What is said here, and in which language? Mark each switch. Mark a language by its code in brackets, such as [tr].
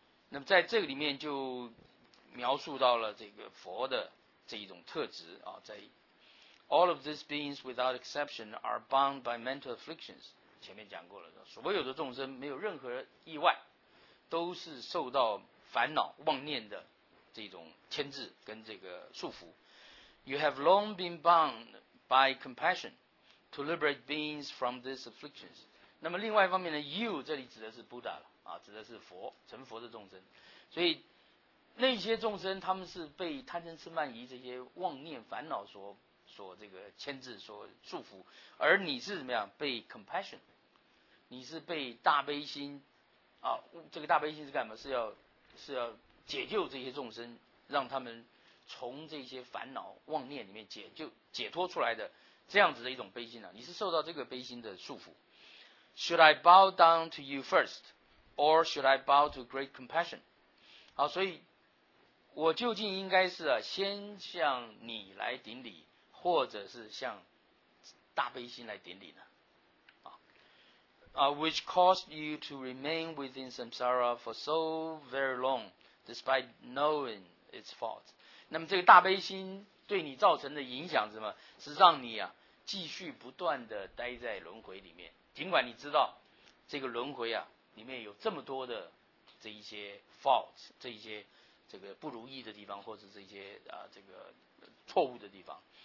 [zh] 那么在这个里面就描述到了这个佛的这一种特质啊，在 [en] All of these beings without exception are bound by mental afflictions. [zh] 前面讲过了，所有的众生没有任何意外，都是受到烦恼妄念的这种牵制跟这个束缚。 [en] You have long been bound by compassion to liberate beings from these afflictions. [zh] 那么另外一方面呢， You 这里指的是 Buddha 了，指的是佛，成佛的众生。所以那些众生他们是被贪嗔痴慢疑这些妄念烦恼所这个牵制，所束缚，而你是怎么样？被 compassion， 你是被大悲心啊，这个大悲心是干嘛？是要解救这些众生，让他们从这些烦恼妄念里面解脱出来的这样子的一种悲心呢？你是受到这个悲心的束缚。 [en] Should I bow down to you first, or should I bow to great compassion？ [zh] 好，所以我究竟应该是先向你来顶礼，或者是向大悲心来顶礼呢？ [en] which caused you to remain within samsara for so very long, despite knowing its fault. [zh] 那么这个大悲心对你造成的影响是什么？是让你继续不断的待在轮回里面，尽管你知道这个轮回里面有这么多的这一些 faults， 这一些这个不如意的地方，或者这些这个错误的地方。